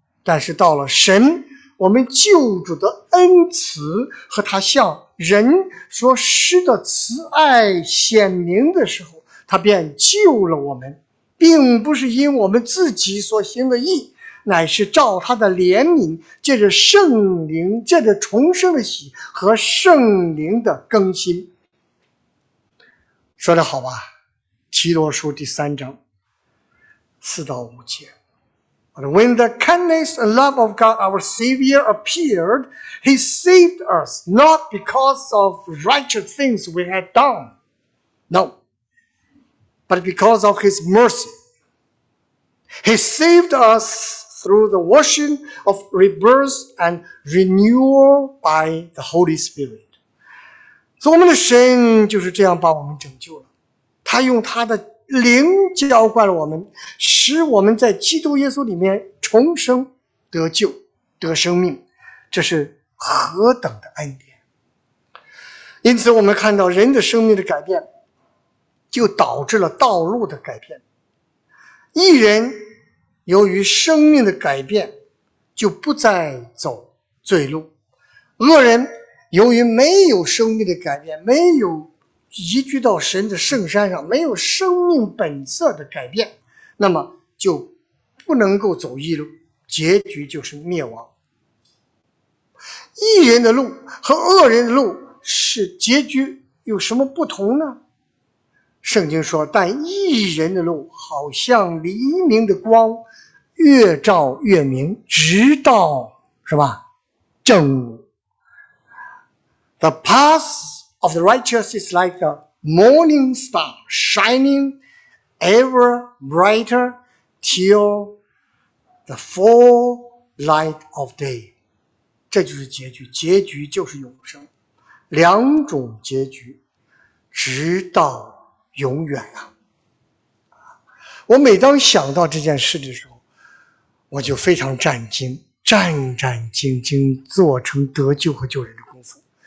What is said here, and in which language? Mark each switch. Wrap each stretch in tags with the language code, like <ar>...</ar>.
<zh>但是到了神，我们救主的恩慈和他向人所施的慈爱显明的时候，他便救了我们，并不是因我们自己所行的义，乃是照他的怜悯，借着圣灵、借着重生的喜和圣灵的更新。说得好吧，提多书第三章4到5节。</zh> <en>When the kindness and love of God our Savior appeared, He saved us not because of righteous things we had done, no, but because of His mercy. He saved us through the washing of rebirth and renewal by the Holy Spirit.</en> <zh>所以我们的神就是这样把我们拯救了。他用他的灵浇灌了我们，使我们在基督耶稣里面重生、得救、得生命，这是何等的恩典！因此，我们看到人的生命的改变，就导致了道路的改变。一人由于生命的改变，就不再走罪路；恶人由于没有生命的改变，没有移居到神的圣山上，没有生命本色的改变，那么就不能够走义路，结局就是灭亡。义人的路和恶人的路是结局有什么不同呢？圣经说，但义人的路好像黎明的光，越照越明，直到是吧？正午。</zh> <en>The path of the righteous is like a morning star, shining ever brighter till the full light of day.</en> <zh>这就是结局，结局就是永生，两种结局，直到永远啊！我每当想到这件事的时候，我就非常战惊，战战兢兢做成得救和救人的工作。</zh>